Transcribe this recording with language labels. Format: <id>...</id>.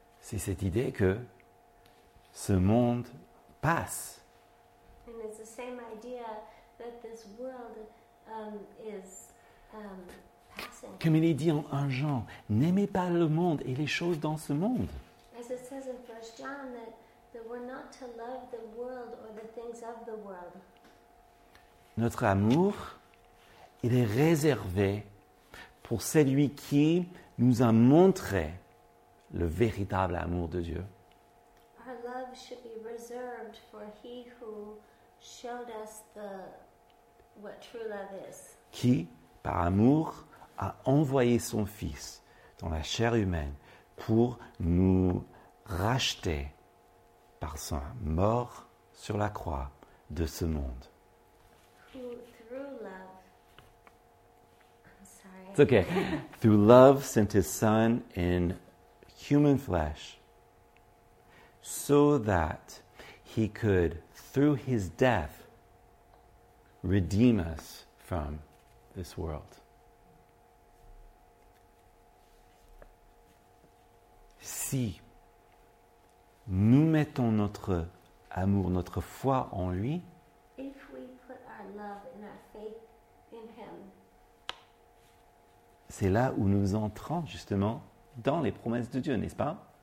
<fr>C'est cette idée que ce monde passe.</fr> <en>And it's the same idea that this world is passing.</en> <fr>Comme il est dit en 1 Jean, n'aimez pas le monde et les choses dans ce monde.</fr> <en>As it says in 1 John that we're not to love the world or the things of the world.</en> <fr>Notre amour, il est réservé pour celui qui nous a montré le véritable amour de Dieu.</fr> <en>Our love should be reserved for he who showed us what true love is.</en> <fr>Qui, par amour, a envoyé son Fils dans la chair humaine pour nous racheter par sa mort sur la croix de ce monde.</fr> <en>Who, through love, I'm sorry. It's okay. Through love sent his Son in human flesh, so that he could, through his death, redeem us from this world.</en> <fr>Si nous mettons notre amour, notre foi en lui,</fr> <en>if we put our love and our faith in him,</en> <fr>c'est là où nous entrons justement dans les promesses de Dieu, n'est-ce pas?</fr>